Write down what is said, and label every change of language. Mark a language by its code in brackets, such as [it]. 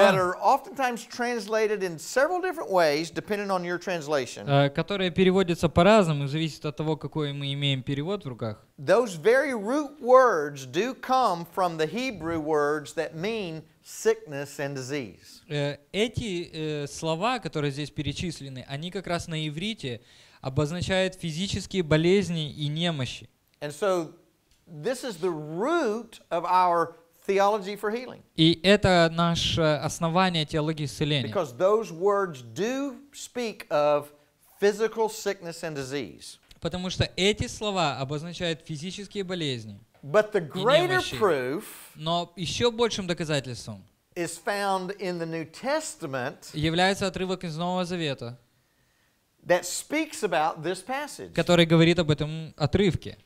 [en] that are oftentimes translated in several different ways, depending on your translation. [ru] Которые переводятся по-разному, зависит от того, какой мы имеем перевод в руках. [en] Those very root words do come from the Hebrew words that mean sickness and disease. [ru] Эти слова, которые здесь перечислены, они как раз на иврите обозначают физические болезни и немощи. [en] And so this is the root of our theology for healing. [ru] И это наше основание теологии исцеления. [en] Because those words do speak of physical sickness and disease. [ru] Потому что эти слова обозначают физические болезни. [en] But the greater proof, [ru] но еще большим доказательством, [en] is found in the New Testament. [ru] Является отрывок из Нового Завета. [en] That speaks about this passage. [ru] Который говорит об этом отрывке.